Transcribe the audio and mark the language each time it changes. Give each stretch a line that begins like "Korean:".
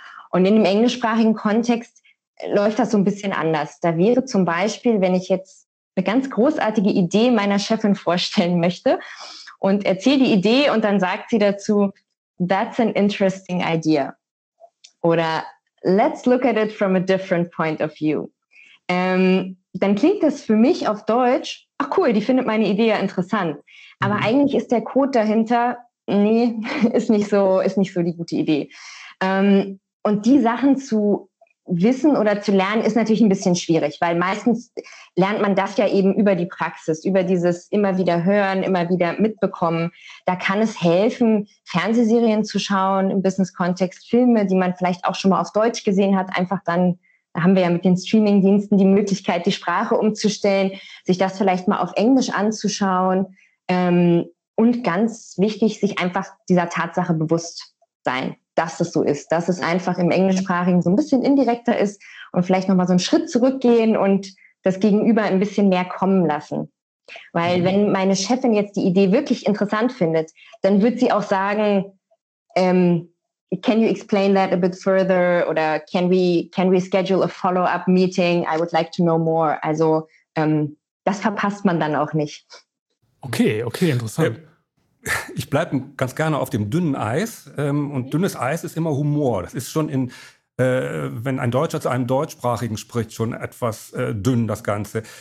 German: Und in dem englischsprachigen Kontext läuft das so ein bisschen anders. Da wäre zum Beispiel, wenn ich jetzt eine ganz großartige Idee meiner Chefin vorstellen möchte und erzähle die Idee und dann sagt sie dazu,
English: that's an interesting idea.
German: Oder
English: let's look at it from a different point of view.
German: Dann klingt das für mich auf Deutsch, ach cool, die findet meine Idee interessant. Aber eigentlich ist der Code dahinter, nee, ist nicht so die gute Idee. Und die Sachen zu wissen oder zu lernen, ist natürlich ein bisschen schwierig, weil meistens lernt man das ja eben über die Praxis, über dieses immer wieder hören, immer wieder mitbekommen. Da kann es helfen, Fernsehserien zu schauen im Business-Kontext, Filme, die man vielleicht auch schon mal auf Deutsch gesehen hat, einfach dann, da haben wir ja mit den Streaming-Diensten die Möglichkeit, die Sprache umzustellen, sich das vielleicht mal auf Englisch anzuschauen. Und ganz wichtig, sich einfach dieser Tatsache bewusst sein, dass es so ist, dass es einfach im Englischsprachigen so ein bisschen indirekter ist und vielleicht nochmal so einen Schritt zurückgehen und das Gegenüber ein bisschen mehr kommen lassen. Weil wenn meine Chefin jetzt die Idee wirklich interessant findet, dann wird sie auch sagen,
English: can you explain that a bit further? Oder can we schedule a follow-up meeting? I would like to know more.
German: Also das verpasst man dann auch nicht. Okay, interessant. Ich bleibe ganz gerne auf dem dünnen Eis. Und dünnes Eis ist immer Humor. Das ist schon in, wenn ein Deutscher zu einem Deutschsprachigen spricht, schon etwas dünn, das Ganze.